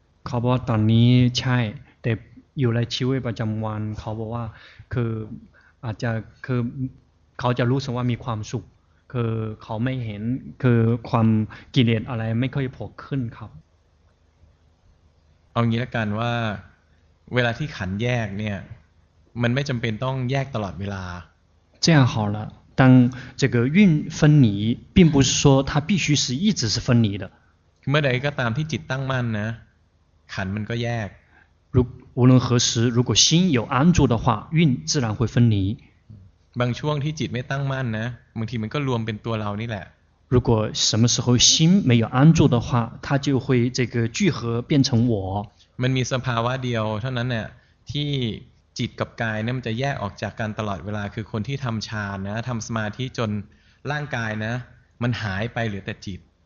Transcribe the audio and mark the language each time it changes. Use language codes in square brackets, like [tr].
[th] เขาบอกตอนนี้ใช่แต่อยู่ในชีวิตประจำวันเขาบอกว่าคืออาจจะคือเขาจะรู้สึกว่ามีความสุขคือเขาไม่เห็นคือความกิเลสอะไรไม่ค่อยโผล่ขึ้นครับ เอางี้ละกันว่าเวลาที่ขันแยกเนี่ยมันไม่จำเป็นต้องแยกตลอดเวลา [zh] 这样好了当这个运分离并不是说它必须是一直是分离的 [th] เมื่อใดก็ตามที่จิตตั้งมั่นนะขันมันก็แยก [zh] 无论何时如果心有安住的话运自然会分离 [th] บางช่วงที่จิตไม่ตั้งมั่นนะบางทีมันก็รวมเป็นตัวเรานี่แหละ [zh] 如果什么时候心没有安住的话它就会这个聚合变成我 [th] มันมีสภาวะเดียวเท่านั้นเนี่ยที่จิตกับกายเนี่ยมันจะแยกออกจากกันตลอดเวลาคือคนที่ทำฌานนะทำสมาธิจนร่างกายนะมันหายไปเหลือแต่จิต